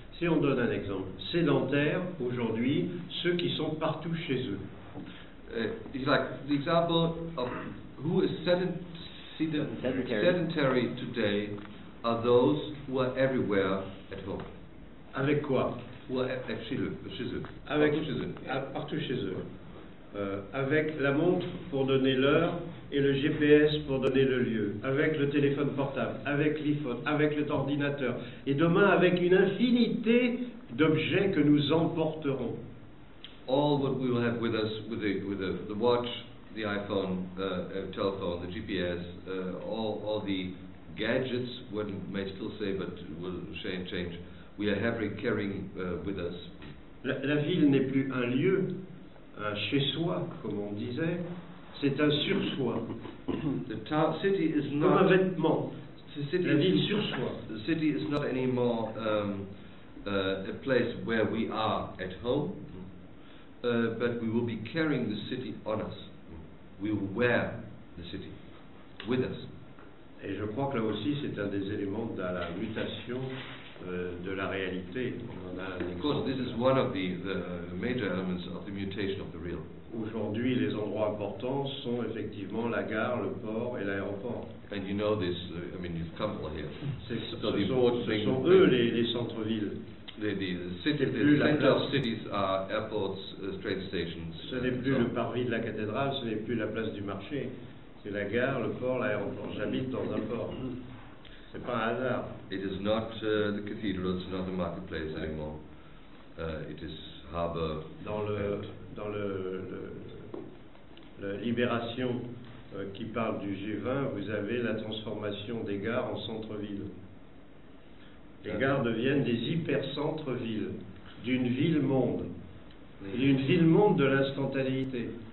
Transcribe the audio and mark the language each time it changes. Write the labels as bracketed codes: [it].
[fr] Si on donne un exemple, sédentaires aujourd'hui, ceux qui sont partout chez eux. [en] It's like the example of who is sedentary today are those who are everywhere at home. [fr] Avec quoi? [en] Who are at [fr] chez eux. Avec chez eux. Partout chez eux. Avec la montre pour donner l'heure et le GPS pour donner le lieu. Avec le téléphone portable, avec l'iPhone, avec l'ordinateur. Et demain avec une infinité d'objets que nous emporterons. [en] All what we will have with us, with the watch, the iPhone, telephone, the GPS, all the gadgets, one may still say, but will change. We are having carrying with us. [fr] La ville n'est plus un lieu, un chez-soi, comme on disait. C'est un sur-soi. [en] The city is not [fr] comme un vêtement. La ville sur-soi. [en] The city is not anymore a place where we are at home. But we will be carrying the city on us. We will wear the city with us. [fr] Et je crois que là aussi, c'est un des éléments de la mutation de la réalité. [en] Of course, this is one of the major elements of the mutation of the real. [fr] Aujourd'hui, les endroits importants sont effectivement la gare, le port et l'aéroport. [en] And you know this, I mean, you've come all here. [fr] Ce sont eux les centres-villes. Ce n'est plus le parvis de la cathédrale, ce n'est plus la place du marché. C'est la gare, le port, l'aéroport. J'habite dans un port. C'est pas un hasard. [en] It is not the cathedral, it's not the marketplace anymore. It is harbor. [fr] Dans le Libération qui parle du G20, vous avez la transformation des gares en centre-ville. Les gares deviennent des hyper-centres-villes d'une ville-monde, d'une ville-monde de l'instantanéité.